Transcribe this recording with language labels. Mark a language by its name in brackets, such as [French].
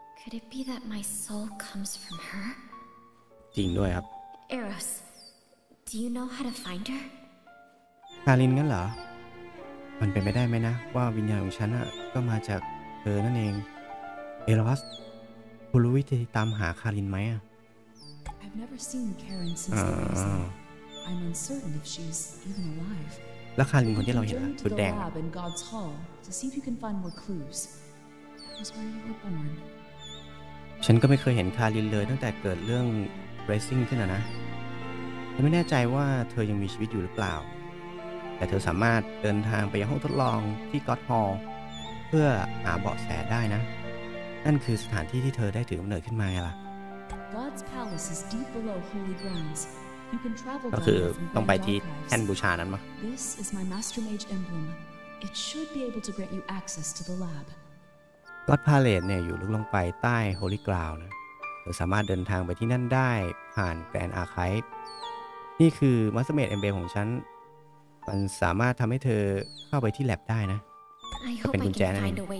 [English] Could it be that my soul comes from her? [Thai] จริงด้วยครับ [English] Eros, do you know how to find her? [Thai] คารินงั้นเหรอมันเป็นไปได้ไหมนะว่าวิญญาณของฉันก็มาจากเธอนั่นเองเอรอสคุณรู้วิธีตามหาคารินไหม [English] I've never seen Karin since the recent. I'm uncertain if she's even alive. [Thai] แล้วคารินคนที่เราเห็น ตัวแดง [English] in God's Hall to see if you can find more clues. That was where you were born. [Thai] ฉันก็ไม่เคยเห็นคารินเลยตั้งแต่เกิดเรื่อง Racing ขึ้นนะไม่แน่ใจว่าเธอยังมีชีวิตอยู่หรือเปล่าแต่เธอสามารถเดินทางไปยังห้องทดลองที่ก็อดฮอลล์เพื่อหาเบาะแสได้นะนั่นคือสถานที่ที่เธอได้ถือกำเนิดขึ้นมาไงล่ะ [English] God's palace is deep below holy grounds. [Thai] ก็คือต้องไปที่แท่นบูชานั้นมั้ง [English] This is my master mage emblem. It should be able to grant you access to the lab. [Thai] ก็พาเลทเนี่ยอยู่ลึกลงไปใต้โฮลี่กราวนะเราสามารถเดินทางไปที่นั่นได้ผ่านแกรนด์อาร์คายฟ์นี่คือมาสเตอร์เมจเอ็มเบลของฉันมันสามารถทำให้เธอเข้าไปที่แล็บได้นะเป็นกุญแจนั่นเอง